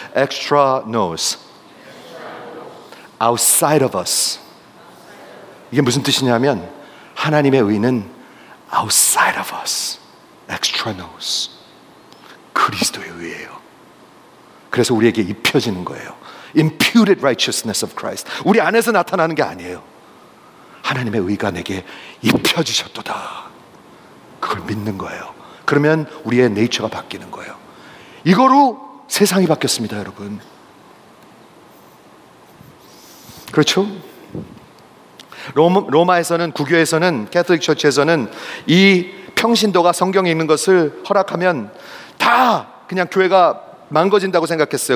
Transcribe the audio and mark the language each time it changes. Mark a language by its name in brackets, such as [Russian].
[English] Extra nos. Outside of us. [Korean] 이게 무슨 뜻이냐면, 하나님의 의는 [English] outside of us, [Korean] extra nos, 그리스도의 의예요. 그래서 우리에게 입혀지는 거예요. [English] Imputed righteousness of Christ. [Korean] 우리 안에서 나타나는 게 아니에요. 하나님의 의가 내게 입혀지셨도다. 그걸 믿는 거예요. 그러면 우리의 네이처가 바뀌는 거예요. 이거로 세상이 바뀌었습니다, 여러분. 그렇죠? 로마에서는, 구교에서는, 캐톨릭 처치에서는 이 평신도가 성경 읽는 것을 허락하면 다 그냥 교회가 망거진다고 생각했어요.